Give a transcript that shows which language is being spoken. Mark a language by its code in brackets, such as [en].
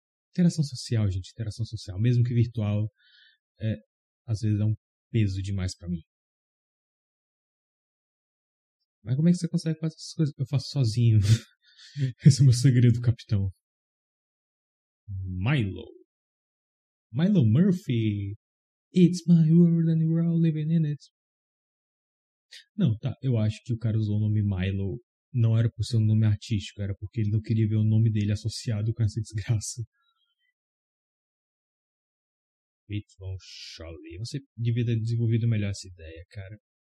[pt] Interação social, gente. Interação social. Mesmo que virtual, às vezes dá um peso demais pra mim. Mas como é que você consegue fazer essas coisas que eu faço sozinho? Esse é o meu segredo, capitão. Milo. Milo Murphy. [en] It's my world and we're all living in it. [pt] Não, tá, eu acho que o cara usou o nome Milo não era por ser um nome artístico, era porque ele não queria ver o nome dele associado com essa desgraça. Pete von Scholly, você devia ter desenvolvido melhor essa ideia, cara.